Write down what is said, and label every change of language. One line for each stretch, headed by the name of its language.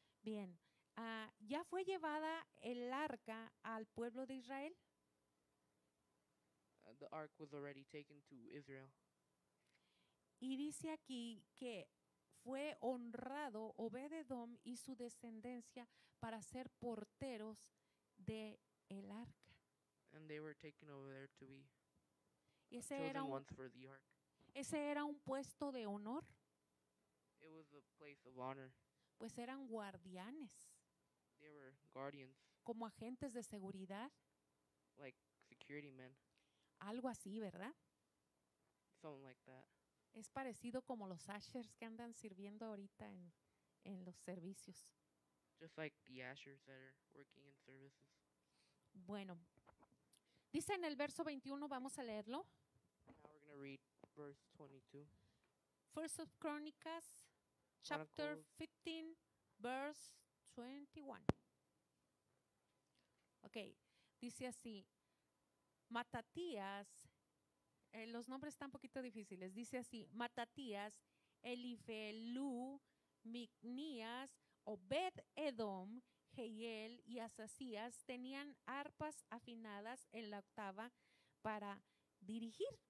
Spanish: Bien, ya fue llevada el arca al pueblo de Israel.
English: The ark was already taken to Israel.
Spanish: Y dice aquí que fue honrado Obed-Edom y su descendencia para ser porteros de el arca.
English: And they were taken over there to be chosen ones for the ark.
Spanish: ¿Ese era un puesto de honor?
English: It was a place of honor.
Spanish: Pues eran guardianes.
English: They were guardians.
Spanish: Como agentes de seguridad.
English: Like security men.
Spanish: Algo así, ¿verdad?
English: Something like that.
Spanish: Es parecido como los ushers que andan sirviendo ahorita en los servicios.
English: Just like the ushers that are working in services.
Spanish: Bueno, dice en el verso 21, vamos a leerlo.
English: Now we're going to read verse 22. First of Chronicles, chapter 15, verse 21.
Spanish: Okay, dice así, Matatías, los nombres están un poquito difíciles, dice así, Matatías, Elifelú, Micnías, Obed Edom, Jehiel y Asasías tenían arpas afinadas en la octava para dirigir.